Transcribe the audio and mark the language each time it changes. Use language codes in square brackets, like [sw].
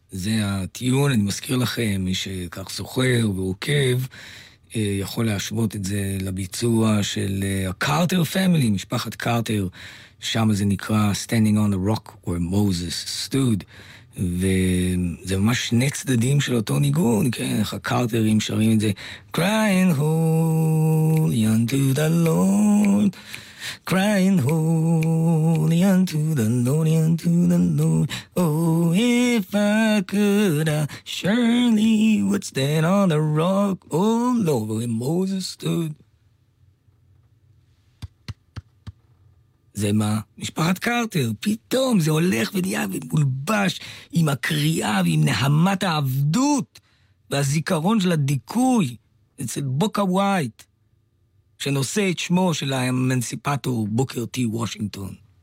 [he] זה הטיון, אני מזכיר לכם, מי שכך זוכר ועוקב, יכול להשוות את זה לביצוע של הקארטר פמילי, משפחת קארטר, שם זה נקרא Standing on the Rock where Moses stood. וזה ממש שני צדדים של אותו ניגון, כן, איך הקארטרים שרים את זה. [en] Crying holy unto the Lord. Crying holy unto the Lord, oh, if I could, I surely would stand on the rock, oh, Lord, where Moses stood. [he] זה מה? משפחת קרטר, פתאום זה הולך ונהיה ומולבש עם הקריאה ועם נהמת העבדות והזיכרון של הדיכוי אצל בוקה ווייט, שנושא את שמו של האמנסיפטור בוקר טי וושינגטון.